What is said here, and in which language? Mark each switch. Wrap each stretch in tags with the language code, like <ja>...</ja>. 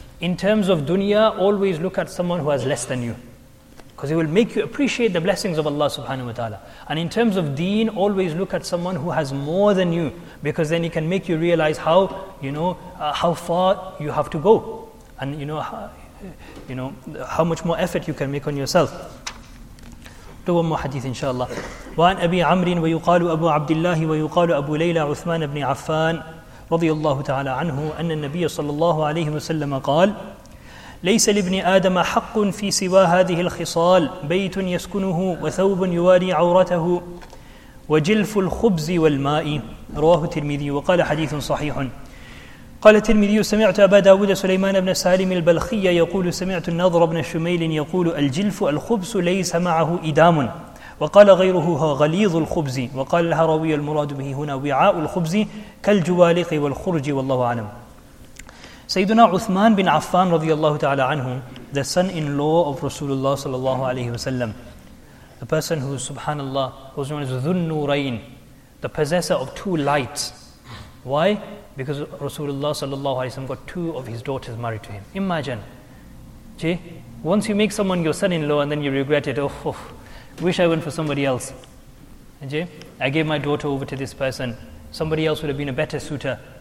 <en>In terms of dunya, always look at someone who has less than you. Because it will make you appreciate the blessings of Allah subhanahu wa ta'ala. And in terms of deen, always look at someone who has more than you. Because then it can make you realize how, you know, how far you have to go. And you know, how much more effort you can make on yourself. Do one more hadith, inshallah.</en> <ar>وَعَنْ أَبِي عَمْرٍ وَيُقَالُ أَبُو عَبْدِ اللَّهِ وَيُقَالُ أَبُو لَيْلَى عُثْمَانَ بْنِ عَفَّانَ رضي الله تعالى عنه أن النبي صلى الله عليه وسلم قال ليس لابن آدم حق في سوى هذه الخصال بيت يسكنه وثوب يواري عورته وجلف الخبز والماء رواه الترمذي وقال حديث صحيح قال الترمذي سمعت أبا داود سليمان بن سالم البلخي يقول سمعت النضر بن الشميل يقول الجلف الخبز ليس معه إدام وقال غيره هو غليظ الخبز وقال الهروي المراد به هنا وعاء الخبز كالجوالق والخرج والله أعلم سيدنا عثمان بن عفان رضي الله تعالى عنه</ar> <en>the son-in-law of Rasulullah صلى الله عليه وسلم the person who سبحان الله was known as ذُنُّورَيْن the possessor of two lights why? Because Rasulullah sallallahu alayhi wa sallam got two of his daughters married to him. Imagine. See? Once you make someone your son-in-law and then you regret it. Oh, wish I went for somebody else. See? I gave my daughter over to this person. Somebody else would have been a better suitor.</en>